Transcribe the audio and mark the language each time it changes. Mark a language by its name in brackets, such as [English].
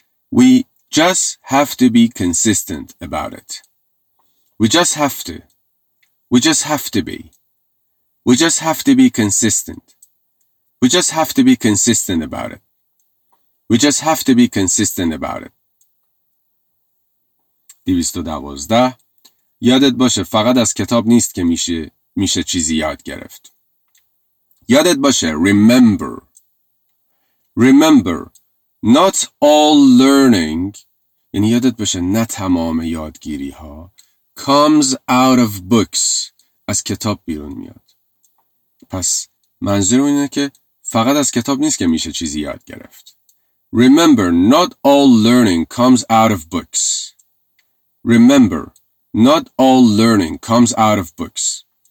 [English] We just have to be consistent about it. We just have to. We just have to be. We just have to be consistent. We just have to be consistent about it. We just have to be consistent about it. 212. [Persian] یادت باشه فقط از کتاب نیست که میشه چیزی یاد گرفت. یادت باشه [English] remember. Remember, not all learning, [Persian] یعنی یادت باشه نه تمام یادگیری ها, [English] comes out of books, [Persian] از کتاب بیرون میاد. پس منظور اینه که فقط از کتاب نیست که میشه چیزی یاد گرفت. [English] Remember, not all learning comes out of books. Remember, not all learning comes out of books.